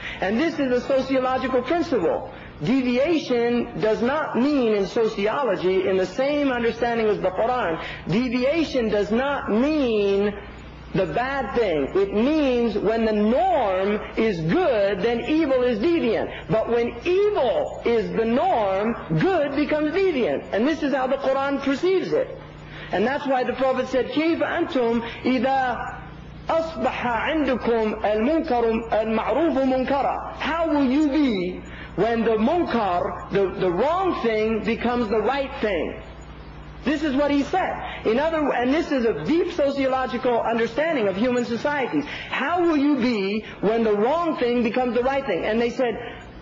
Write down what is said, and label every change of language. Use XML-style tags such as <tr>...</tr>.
<en>And this is a sociological principle. Deviation does not mean in sociology, in the same understanding as the Quran, deviation does not mean the bad thing. It means when the norm is good, then evil is deviant. But when evil is the norm, good becomes deviant. And this is how the Quran perceives it.</en> <ar>And that's why the Prophet said, كيف أنتم إذا أصبح عندكم المنكر المعروف منكرا.</ar> <en>How will you be when the munkar, the wrong thing, becomes the right thing? This is what he said. And this is a deep sociological understanding of human societies. How will you be when the wrong thing becomes the right thing? And they said,</en>